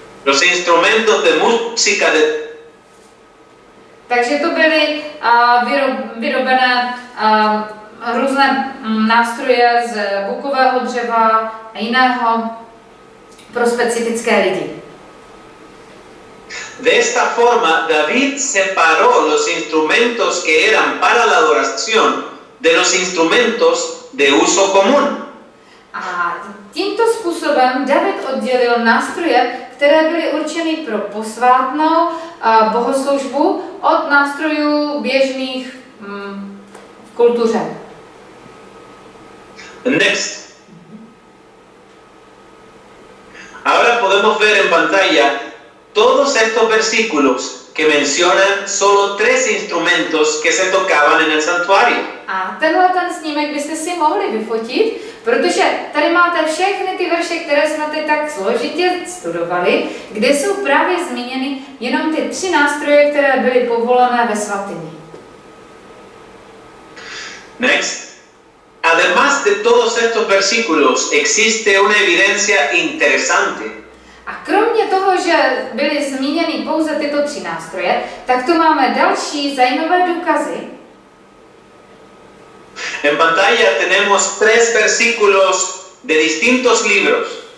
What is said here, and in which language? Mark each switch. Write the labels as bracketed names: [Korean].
[Spanish] Los instrumentos de música de... [Czech] Takže to byly vyrobené různé nástroje z bukového dřeva a jiného pro specifické lidi. [Spanish] De esta forma David separó los instrumentos que eran para la adoración de los instrumentos de uso común. [Czech] A tímto způsobem David oddělil nástroje, které byly určeny pro posvátnou bohoslužbu od nástrojů běžných v kultuře. [English] Next. [Spanish] Ahora podemos ver en pantalla todos estos versículos que mencionan solo tres instrumentos que se tocaban en el santuario. [Czech] A tenhle ten snímek byste si mohli vyfotit, protože tady máte všechny ty verše, které jsme teď tak složitě studovali, kde jsou právě zmíněny jenom ty tři nástroje, které byly povolené ve svatyni. [English] Next. [Spanish] Además de todos estos versículos, existe una evidencia interesante. [Czech] A kromě toho, že byly zmíněny pouze tyto tři nástroje, tak tu máme další zajímavé důkazy. [Spanish] En pantalla tenemos tres versículos de distintos libros.